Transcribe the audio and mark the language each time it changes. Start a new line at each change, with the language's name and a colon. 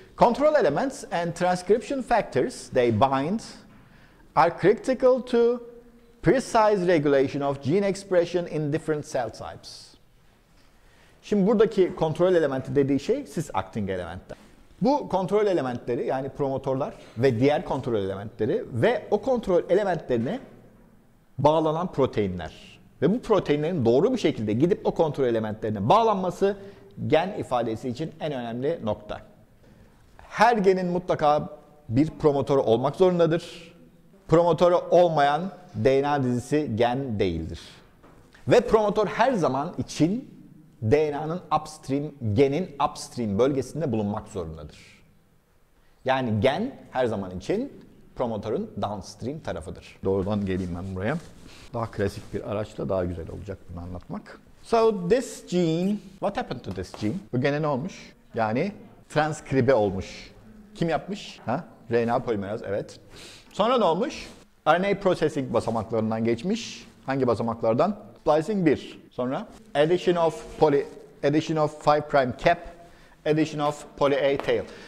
English: Control elements and transcription factors, they bind, are critical to precise regulation of gene expression in different cell types.
Turkish: Şimdi buradaki kontrol elementi dediği şey cis acting elementler. Bu kontrol elementleri, yani promotorlar ve diğer kontrol elementleri ve o kontrol elementlerine bağlanan proteinler. Ve bu proteinlerin doğru bir şekilde gidip o kontrol elementlerine bağlanması gen ifadesi için en önemli nokta. Her genin mutlaka bir promotörü olmak zorundadır. Promotörü olmayan DNA dizisi gen değildir. Ve promotör her zaman için DNA'nın upstream, genin upstream bölgesinde bulunmak zorundadır. Yani gen her zaman için promotörün downstream tarafıdır. Doğrudan geleyim ben buraya. Daha klasik bir araçla daha güzel olacak bunu anlatmak.
English: So this gene, what happened to this gene?
Turkish: Bu gene ne olmuş? Yani transkribe olmuş. Kim yapmış? Ha? RNA polimeraz, evet. Sonra ne olmuş? RNA processing basamaklarından geçmiş. Hangi basamaklardan? Splicing 1.
English: Sonra addition of poly, addition of 5 prime cap, addition of poly A tail.